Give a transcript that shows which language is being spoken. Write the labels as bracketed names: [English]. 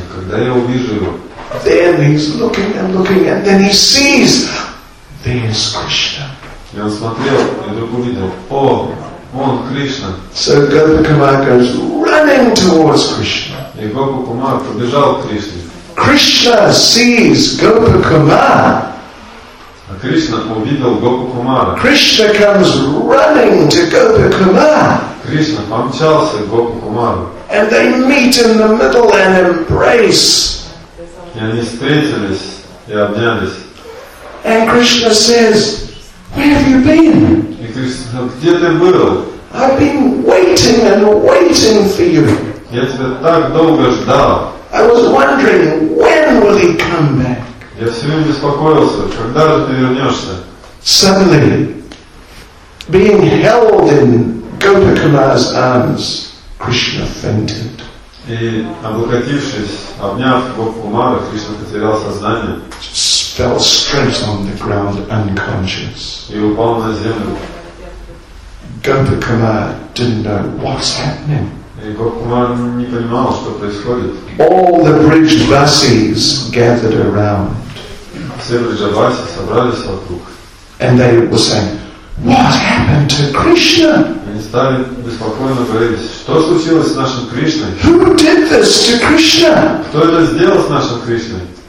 [English] Then he's looking and looking and then he sees there's Krishna. [Russian] И он смотрел, и вдруг увидел, о, вон Кришна. [English] So Gopakumar goes running towards Krishna. [Russian] И Гопакумар побежал к Кришне. [English] Krishna sees Gopakumar. [Russian] А Кришна увидел Гопакумара. [English] Krishna comes running to Gopakumar. [Russian] Кришна помчался к Гопакумару. [English] And they meet in the middle and embrace. [Russian] И они встретились и обнялись. [English] And Krishna says, where have you been? Krishna, [Russian] где ты был? [English] I've been waiting and waiting for you. [Russian] Я тебя так долго ждал. [English] I was wondering, when will he come back? [Russian] Я все время беспокоился, когда же ты вернешься? [English] Suddenly, being held in Gopakumar's arms, Krishna fainted. [Russian] И облокотившись, обняв Гопакумара, Кришна потерял сознание. [English] Fell straight on the ground unconscious. He [Russian] упал на землю. [English] Gopakumar didn't know what's happening. [Russian] Gopakumar не понимал, что происходит. [English] All the Brijvasis gathered around. [Russian] Все Брижбаси собрались вокруг. [English] And they were saying, what happened to Krishna? [Russian] Они стали беспокойно говорить, что случилось с нашим Кришной? [English] Who did this to Krishna? [Russian] Кто это сделал с нашим Кришной?